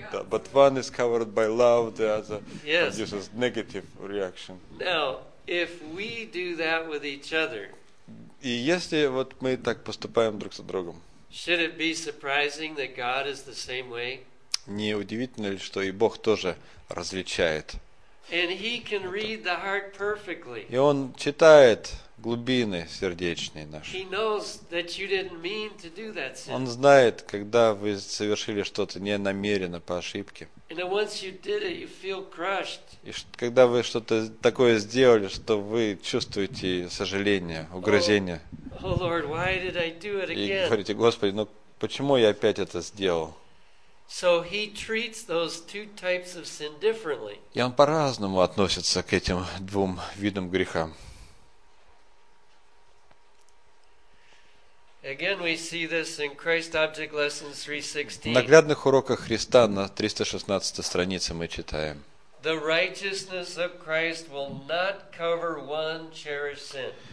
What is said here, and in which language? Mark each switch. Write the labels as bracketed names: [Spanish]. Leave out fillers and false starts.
[English] But one is covered by love, the other produces negative reaction. No. If we do that with each other, [Russian] и если вот мы так поступаем друг с другом, [English] should it be surprising that God is the same way? [Russian] Не удивительно ли, что и Бог тоже различает [English] And he can read the heart perfectly. [Russian] И он читает глубины сердечные наши. [English] He knows that you didn't mean to do that sin. [Russian] Он знает, когда вы совершили что-то не намеренно, по ошибке. [English] And once you did it, you feel crushed. [Russian] И когда вы что-то такое сделали, что вы чувствуете сожаление, угрызение. [English] Oh, oh Lord, why did I do it again? [Russian] И говорите: Господи, ну почему я опять это сделал? [English] So he treats those two types of sin differently. [Russian] И он по-разному относится к этим двум видам греха. [English] Again, we see this in Christ Object Lessons 316. [Russian] В наглядных уроках Христа на 316 странице мы читаем. [English] The righteousness of Christ will not cover one cherished sin.